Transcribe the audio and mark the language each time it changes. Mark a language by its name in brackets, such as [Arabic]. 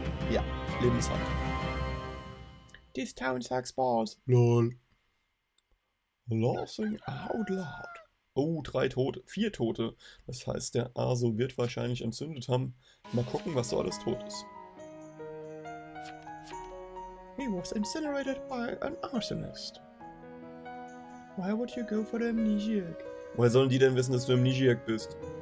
[German] Ja, Lebenshaft. [English] This town sucks balls. Lol. Laughing out loud. Oh, [German] 3 Tote. 4 Tote. Das heißt, der Aso wird wahrscheinlich entzündet haben. Mal gucken, was so alles tot ist. [English] He was incinerated by an arsonist. Why would you go for the amnesiac? [German] Woher sollen die denn wissen, dass du amnesiac bist?